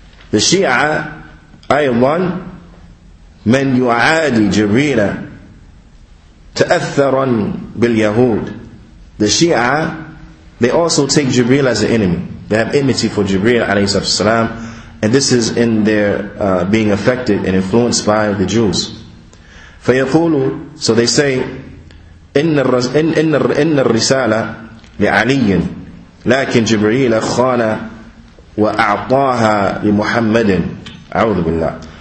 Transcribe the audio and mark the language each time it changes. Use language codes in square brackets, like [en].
[en] The Shia, [ar] أيضا, من يعادي جبريل تأثرا باليهود. [en] The Shia, they also take Jibreel as an enemy. They have enmity for Jibreel [ar] عليه الصلاة والسلام, [en] and this is in their being affected and influenced by the Jews. [ar] فيقولوا, [en] so they say, [ar] إن الرسالة لعلي, لكن جبريل خان وأعطاها لمحمد, أعوذ بالله.